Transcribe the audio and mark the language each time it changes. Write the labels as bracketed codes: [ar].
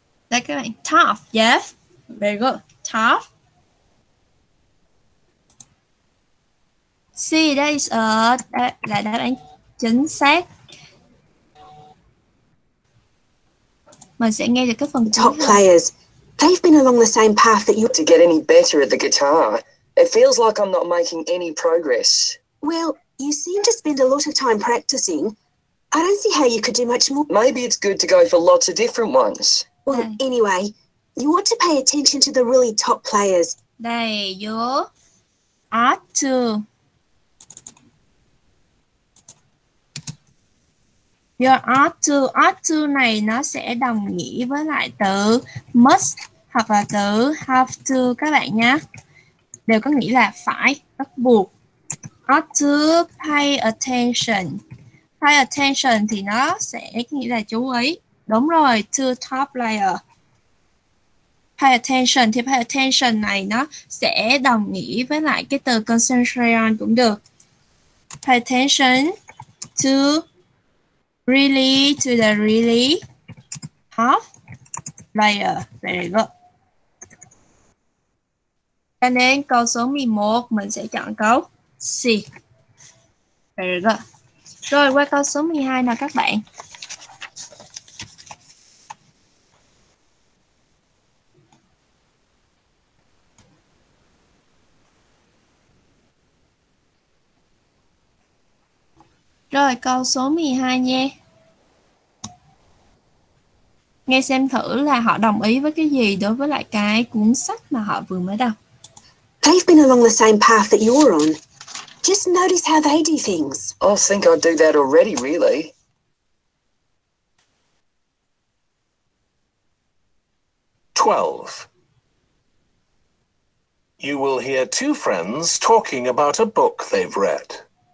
[vi] Đây các bạn, [en] tough, yes. Very good, tough. [vi] See, đây là đáp án chính xác. Mình sẽ nghe được cái phần [en] top players. They've been along the same path that you to get any better at the guitar. It feels like I'm not making any progress. Well, you seem to spend a lot of time practicing. I don't see how you could do much more. Maybe it's good to go for lots of different ones. Well, anyway, you ought to pay attention to the really top players. [vi] Đây, [en] you ought to. You ought to. [vi] Ought to này nó sẽ đồng nghĩa với lại từ must hoặc là từ have to các bạn nhé. Đều có nghĩa là phải, bắt buộc. [en] Ought to pay attention. [vi] Pay attention thì nó sẽ nghĩa là chú ý. Đúng rồi, [en] to top player. [vi] Pay attention thì pay attention này nó sẽ đồng nghĩa với lại cái từ concentrate on cũng được. [en] Pay attention to really, to the really top player. Very good. [vi] Cho nên câu số 11 mình sẽ chọn câu C. [en] Very good. [vi] Rồi qua câu số 12 nào các bạn. Rồi câu số 12 nha. Nghe xem thử là họ đồng ý với cái gì đối với lại cái cuốn sách mà họ vừa mới đọc. [en] They've been along the same path that you're on. Just notice how they do things. I think I do that already, really. Twelve. You will hear two friends talking about a book they've read.